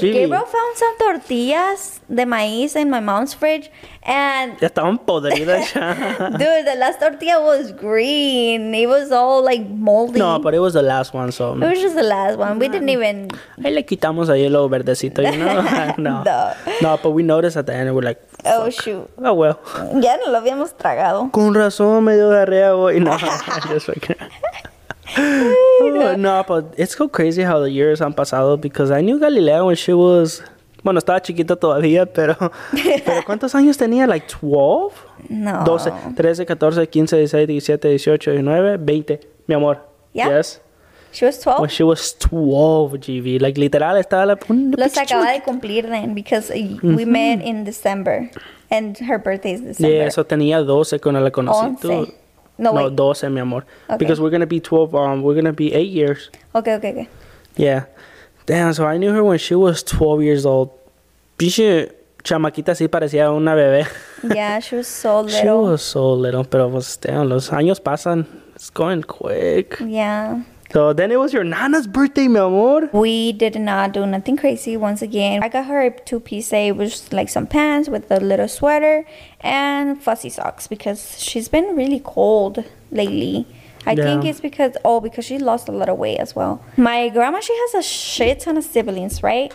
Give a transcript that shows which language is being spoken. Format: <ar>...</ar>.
<en>Dude, Gabriel found some</en> <es>tortillas de maíz</es> <en>in my mom's fridge, and...</en> <es>Ya estaban podridas ya.</es> <en>Dude, the last tortilla was green. It was all, like, moldy. No, but it was the last one, so... It was just the last one. We didn't even...</en> <es>Ahí le quitamos ahí lo verdecito,</es> <en>you know?</en> <es>No.</es> <en>No, but we noticed at the end, we're like... Oh, fuck. Shoot. Oh, well.</en> <es>Ya no lo habíamos tragado. Con razón me dio diarrea hoy.</es> <en>No, just like... No, but it's so crazy how the years</en> <es>han pasado,</es> <en>because I knew Galilea when she was,</en> <es>bueno, estaba chiquita todavía, pero ¿cuántos años tenía?</es> <en>Like 12? No. 12, 13, 14, 15, 16, 17, 18, 19, 20,</en> <es>mi amor.</es> <en>Yeah. Yes. She was 12? When she was 12, GV. Like, literal,</en> <es>estaba la... Los acaba de cumplir</es> <en>then, because we met in December, and her birthday is December. Yeah, so</en> <es>tenía 12 cuando la conocí.</es> <en>11. No, 12,</en> <es>mi amor.</es> <en>Okay. Because we're going to be 12. We're going to be 8 years. Okay. Yeah. Damn, so I knew her when she was 12 years old.</en> <es>Pinche chamaquita así parecía una bebé.</es> <en>Yeah, she was so little. She was so little,</en> <es>pero pues,</es> <en>damn,</en> <es>los años pasan.</es> <en>It's going quick. Yeah. So then it was your Nana's birthday,</en> <es>mi amor.</es> <en>We did not do nothing crazy once again. I got her a 2-piece. It was like some pants with a little sweater and fuzzy socks because she's been really cold lately. I think it's because she lost a lot of weight as well. My grandma, she has a shit ton of siblings, right?</en>